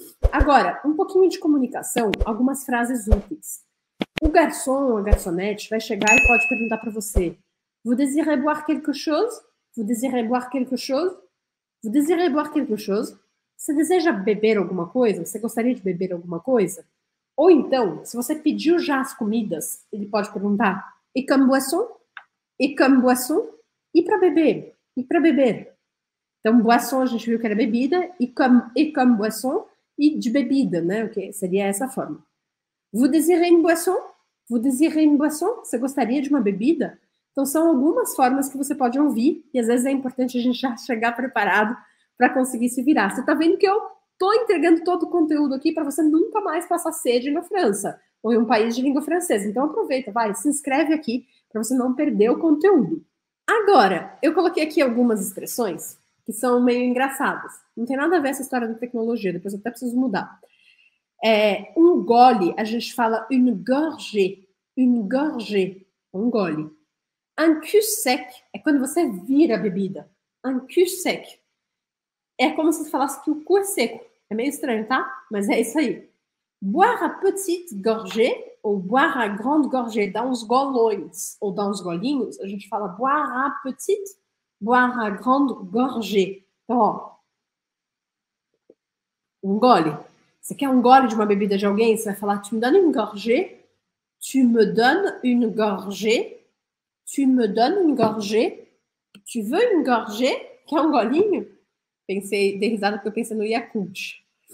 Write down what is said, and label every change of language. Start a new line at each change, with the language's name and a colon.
Portuguese: Agora, um pouquinho de comunicação, algumas frases úteis. O garçom, a garçonete, vai chegar e pode perguntar para você:
French: Vous désirez boire quelque chose? Vous désirez boire quelque chose? Vous désirez boire quelque chose?
Portuguese: Você deseja beber alguma coisa? Você gostaria de beber alguma coisa? Ou então, se você pediu já as comidas, ele pode perguntar:
French: Et comme boisson? Et comme boisson?
Portuguese: E para beber? E para beber? Então, boisson a gente viu que era bebida,
French: et comme boisson?
Portuguese: E de bebida, né? Okay. Seria essa forma.
French: Vous désirez une boisson? Vous désirez une boisson?
Portuguese: Você gostaria de uma bebida? Então, são algumas formas que você pode ouvir e às vezes é importante a gente já chegar preparado para conseguir se virar. Você está vendo que eu estou entregando todo o conteúdo aqui para você nunca mais passar sede na França ou em um país de língua francesa. Então, aproveita, vai, se inscreve aqui para você não perder o conteúdo. Agora, eu coloquei aqui algumas expressões que são meio engraçadas. Não tem nada a ver essa história da tecnologia, depois eu até preciso mudar. É, um gole, a gente fala une gorgée, um gole. Un cul sec é quando você vira a bebida. Un cul sec é como se falasse que o cu é seco. É meio estranho, tá? Mas é isso aí.
French: Boire à petite gorgée ou boire à grande gorgée,
Portuguese: dar uns golões ou dar uns golinhos, a gente fala
French: boire à petite, boire à grande gorgée.
Portuguese: Então, ó, um gole. Você quer um gole de uma bebida de alguém? Você vai falar,
French: tu me donnes une gorgée? Tu me donnes une gorgée? Tu me donnes une gorgée? Tu veux une gorgée?
Portuguese: Quer um golinho? Pensei, dei risada porque eu pensei no Yakult.